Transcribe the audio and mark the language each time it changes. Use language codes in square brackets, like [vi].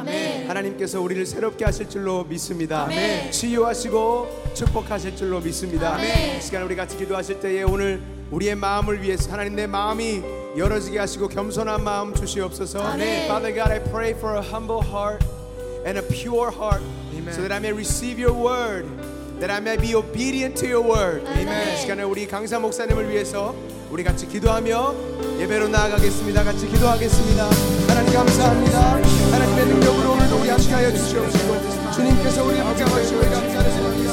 [ko] 아멘. 하나님께서 우리를 새롭게 하실 줄로 믿습니다. 아멘. 치유하시고 축복하실 줄로 믿습니다. 아멘. 이 시간 우리 같이 기도하실 때에 오늘 우리의 마음을 위해서 하나님 내 마음이 열어지게 하시고 겸손한 마음 주시옵소서. 아멘. [en] Father God, I pray for a humble heart and a pure heart. Amen. So that I may receive your word, that I may be obedient to your word. Amen. [ko] 시간에 우리 강사 목사님을 위해서 우리 같이 기도하며 예배로 나아가겠습니다. 같이 기도하겠습니다. 하나님 감사합니다. 하나님의 능력으로 오늘도 우리 함께하여 주시옵시고 주님께서 우리 함께하시오 우리 감사하시오